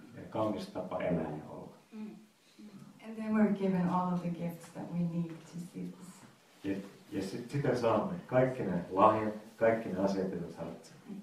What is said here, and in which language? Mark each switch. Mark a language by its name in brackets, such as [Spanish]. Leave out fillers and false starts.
[Finnish] Kaunis tapa elää ja olla. [English] And then we're given all of the gifts that we need to see this. [Finnish] Ja sitä saamme. Kaikki ne lahjat, kaikki ne asiat, joita tarvitsee.